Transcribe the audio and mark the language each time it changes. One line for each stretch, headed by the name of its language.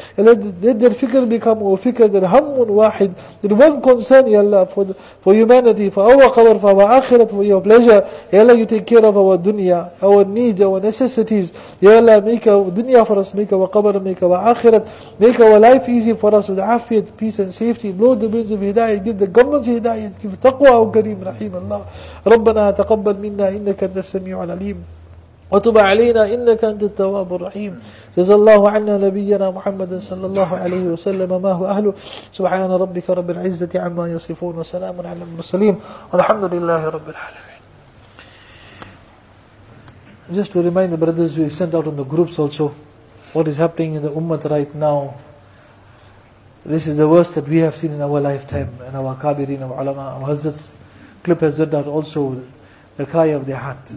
English: Ya Allah, let their fikr become our fikr, their hammun wahid, their one concern, Ya Allah, for humanity, for our qabr, for our akhirat, for your pleasure. Ya Allah, you take care of our dunya, our needs, our necessities. Ya Allah, make our dunya for us, make our qabr, make our akhirat, make our life easy for us with afiyat, peace and safety. Blow the winds of hidayah, give the government's hidayah, give taqwa, O Kareem Rahim Allah.
Arabic: Rabbana taqabbal minna innaka antas-sami'u العليم وتب علينا إنك أنت التواب الرحيم جزا الله عنا نبينا محمد صلى الله عليه وسلم ما هو أهله سبحان ربك رب العزة عما يصفون وسلام على المرسلين والحمد لله رب العالمين.
English: Just to remind the brothers, we sent out in the groups also what is happening in the ummah right now. This is the worst that we have seen in our lifetime, and our kabirin, our ulama, our hazrats clip has read out also the cry of their heart.